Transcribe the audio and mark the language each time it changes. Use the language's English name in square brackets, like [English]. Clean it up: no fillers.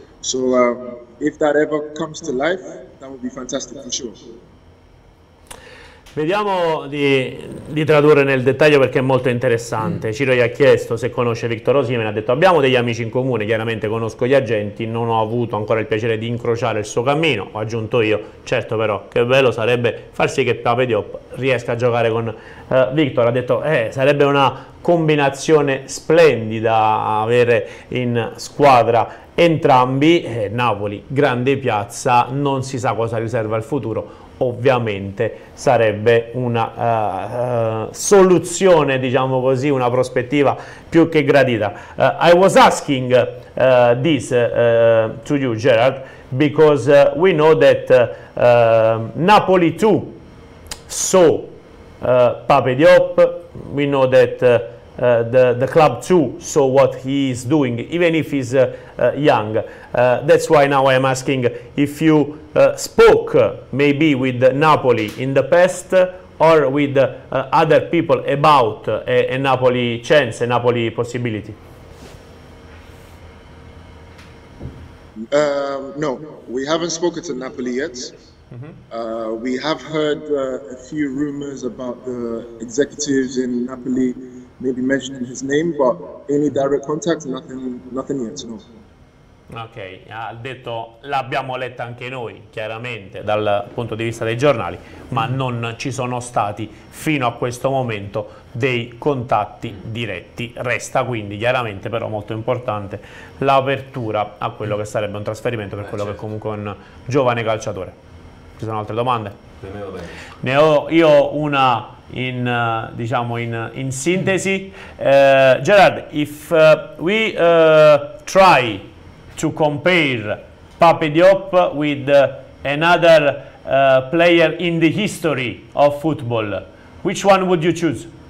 [English] So if that ever comes to life, that would be fantastic for sure. [Italian] Vediamo di tradurre nel dettaglio perché è molto interessante. Ciro gli ha chiesto se conosce Victor Osimhen, ha detto abbiamo degli amici in comune, chiaramente conosco gli agenti, non ho avuto ancora il piacere di incrociare il suo cammino, ho aggiunto io, certo però che bello sarebbe far sì che Pape Diop riesca a giocare con Victor, ha detto sarebbe una combinazione splendida avere in squadra entrambi, Napoli, grande piazza, non si sa cosa riserva il futuro. Ovviamente sarebbe una soluzione, diciamo così, una prospettiva più che gradita. [English] I was asking this to you, Gerard, because we know that Napoli too saw Pape Diop. We know that the club too saw what he is doing, even if he's young. That's why now I'm asking if you spoke maybe with Napoli in the past or with other people about a Napoli chance, a Napoli possibility. No, we haven't spoken to Napoli yet. We have heard a few rumors about the executives in Napoli maybe mentioning his name, but any direct contact, nothing yet, no. [Italian] Ok, ha detto l'abbiamo letta anche noi, chiaramente dal punto di vista dei giornali, ma non ci sono stati fino a questo momento dei contatti diretti. Resta quindi chiaramente però molto importante l'apertura a quello che sarebbe un trasferimento per quello che è comunque un giovane calciatore. Ci sono altre domande? Ne ho io una in diciamo in sintesi. [English] Gerard, if we try to compare Pape Diop with another player in the history of football, which one would you choose?